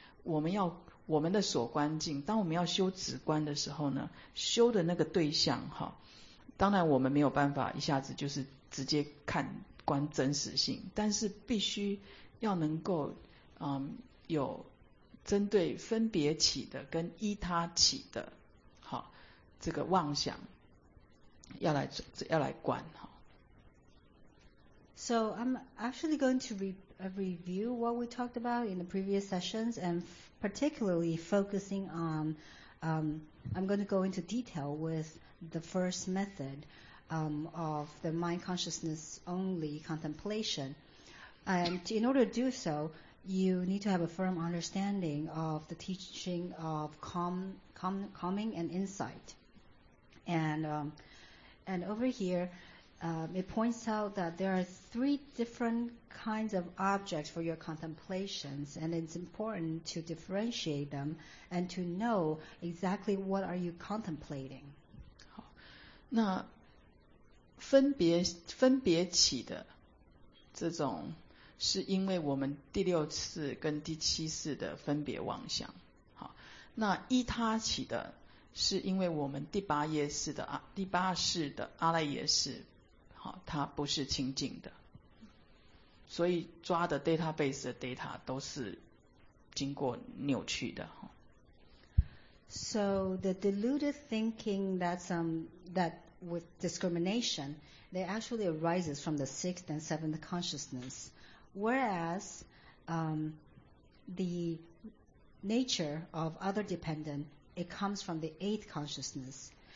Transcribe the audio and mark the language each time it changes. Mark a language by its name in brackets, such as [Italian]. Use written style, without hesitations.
[Chinese] 我们的所观境，当我们要修止观的时候呢，修的那个对象哈，当然我们没有办法一下子就是直接看。观真实性，但是必须要能够有针对分别起的跟依他起的好这个妄想要来观哈。 [English] So I'm actually going to review what we talked about in the previous sessions and particularly focusing on I'm going to go into detail with the first method. Of the mind consciousness only contemplation. And in order to do so, you need to have a firm understanding of the teaching of calming and insight. And over here, it points out that there are three different kinds of objects for your contemplations, and it's important to differentiate them and to know exactly what are you contemplating. [Chinese] 那分别起的这种是因为我们第六次跟第七次的分别妄想，好，那依他起的是因为我们第八世的阿赖耶识，好，它不是清净的，所以抓的 database 的 data 都是经过扭曲的。 [English] So the deluded thinking that with discrimination, they actually arises from the sixth and seventh consciousness. Whereas the nature of other dependent, it comes from the eighth consciousness.